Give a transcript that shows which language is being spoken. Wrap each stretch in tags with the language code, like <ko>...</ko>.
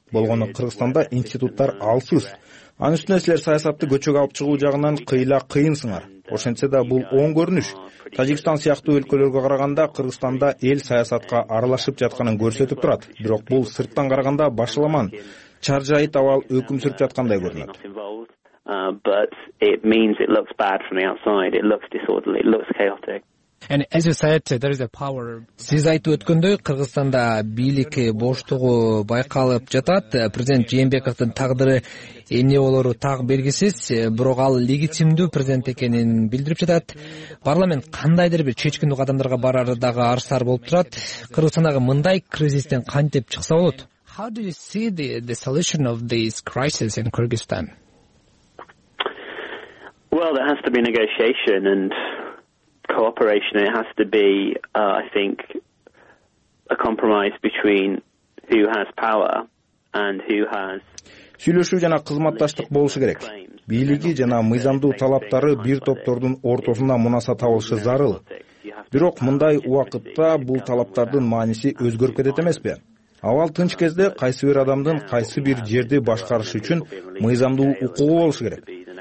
<ky>Болгону Кыргызстанда институттар алсыз. Анын үстүнө силер саясатты көчөгө алып чыгуу жагынан кыйла кыйынсыңар. Ошентсе да бул оң көрүнүш. Тажикстан сыяктуу өлкөлөргө караганда Кыргызстанда эл саясатка аралашып жатканын көрсөтүп турат. Бирок бул сырттан караганда башаламан чаржайыт абал өкүм сүрүп жаткандай көрүнөт.</ky> <en>But it means it looks bad from the outside. It looks disorderly. It looks chaotic. And as you said, there is a power.</en> <ky>Сиз айтып өткөндөй, Кыргызстанда бийлик боштугу байкалып жатат. Президент Жээнбековдун тагдыры эмне болору так белгисиз, бирок ал легитимдүү президент экенин билдирип жатат. Парламент кандайдыр бир чечкиндүү кадамдарга барары дагы арсар болуп турат. Кыргызстандагы мындай кризистен кантип чыкса болот?</ky> <en>How do you see the solution of this crisis in Kyrgyzstan? Well, there has to be negotiation and cooperation. It has to be, I think, a compromise between who has power and who has...</en> <ky>Сүйлөшүү жана кызматташтык болушу керек. Бийлиги жана мыйзамдуу талаптары бир топтордун ортосунда мунасат табылышы зарыл. Бирок мындай убакытта бул талаптардын мааниси өзгөрүп кетет эмеспи? Абал тынч кезде кайсы бир адамдын кайсы бир жерди башкарышы үчүн мыйзамдуу укугу болушу керек.</ky>